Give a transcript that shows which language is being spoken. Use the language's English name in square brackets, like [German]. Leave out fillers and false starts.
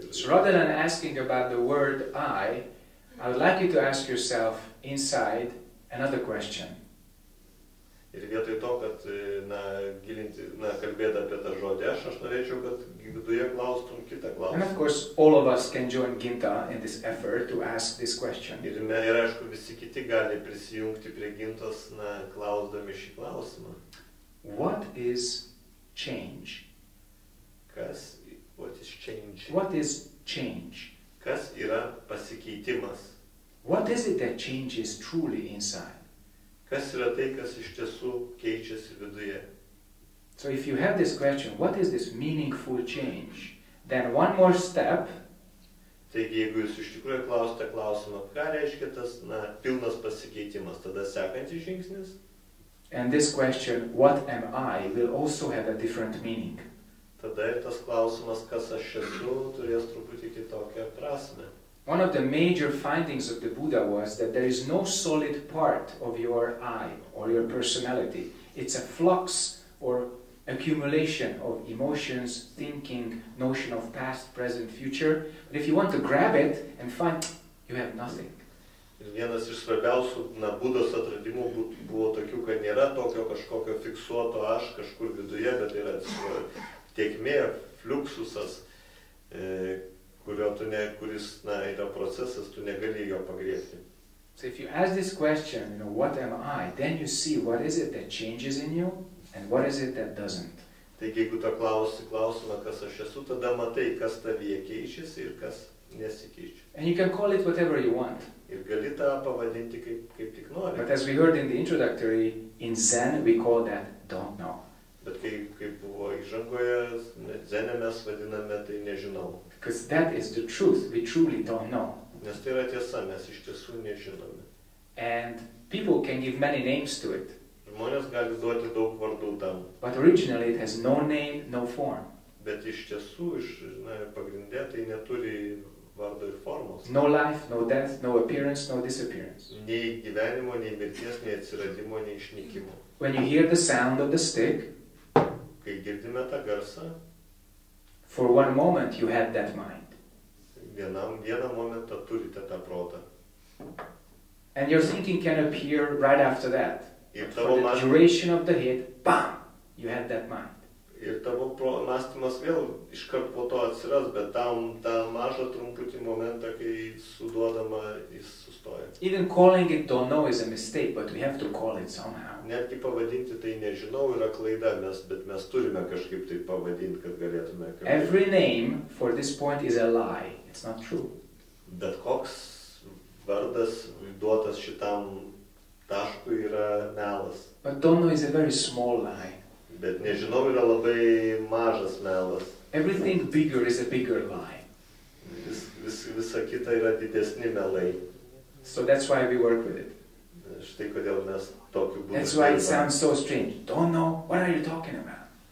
[English] So rather than asking about the word I would like you to ask yourself inside another question. [Lithuanian] Ir vietoj to, kad kalbėti apie tą žodį, aš norėčiau, kad viduje klaustum kitą klausimą. [English] And of course, all of us can join Ginta in this effort to ask this question. [Lithuanian] Ir aišku, visi kiti gali prisijungti prie Gintos, klausdami šį klausimą. [English] What is change? [Lithuanian] Kas, [English] what is change? What is change? [Lithuanian] Kas yra pasikeitimas? [English] What is it that changes truly inside? [Lithuanian] Kas yra tai, kas iš tiesų keičiasi viduje? [English] So if you have this question, what is this meaningful change? Then one more step. [Lithuanian] Taigi, jeigu jūs iš tikrųjų klausite klausimą, ką reiškia tas pilnas pasikeitimas, tada sekantis žingsnis. [English] And this question, what am I, will also have a different meaning. [Lithuanian] Tada ir tas klausimas, kas aš esu, turės truputį kitokią prasmę. [English] One of the major findings of the Buddha was that there is no solid part of your I or your personality. It's a flux or accumulation of emotions, thinking, notion of past, present, future. But if you want to grab it and find, you have nothing. [Lithuanian] Vienas iš svarbiausių Budos atradimų buvo tokių, kad nėra tokio kažkokio fiksuoto aš kažkur viduje, bet yra tėkmė, fluxusas, kuris yra procesas, tu negali jo pagrėti. [English] So if you ask this question, what am I, then you see what is it that changes in you and what is it that doesn't. [Lithuanian] Taigi, jeigu tu klausi klausimą, kas aš esu, tada matai, kas tavyje keičiasi ir kas nesikeičia. [English] And you can call it whatever you want. [Lithuanian] Ir gali tą pavadinti kaip tik nori. [English] But as we heard in the introductory, in Zen we call that don't know. [Lithuanian] Bet kaip buvo įžangoje, Zen mes vadiname tai nežinau. [English] Because that is the truth, we truly don't know. [Lithuanian] Nes tai yra tiesa, mes iš tiesų nežinome. [English] And people can give many names to it. [Lithuanian] Žmonės gali duoti daug vardų tam. [English] But originally it has no name, no form. [Lithuanian] Bet iš tiesų, pagrindė, tai neturi vardo ir formos. [English] No life, no death, no appearance, no disappearance. [Lithuanian] Nei gyvenimo, nei mirties, nei atsiradimo, nei išnykimo. [English] When you hear the sound of the stick, [Lithuanian] kai girdime tą garsą, [English] for one moment you have that mind. [Lithuanian] Vieną momentą turite tą protą. [English] And your thinking can appear right after that. For the duration of the hit, bam, you have that mind. [Lithuanian] Ir tavo mąstymas vėl iškart po to atsiras, bet tą mažą trumputį momentą, kai suduodama, jis sustoja. [English] Even calling it don't know is a mistake, but we have to call it somehow. [Lithuanian] Netgi pavadinti tai nežinau yra klaida, bet mes turime kažkaip tai pavadinti, kad galėtume. [English] Every name for this point is a lie. It's not true. [Lithuanian] Bet koks vardas duotas šitam taškui yra melas. [English] But don't know is a very small lie. [Lithuanian] Bet nežinau yra labai mažas melas. [English] Everything bigger is a bigger lie. [Lithuanian] Visa kita yra didesni melai. [English] So that's why we work with it. [Lithuanian] Štai kodėl mes tokiu būdu. [English] That's why it sounds so strange. Don't know, what are you talking about?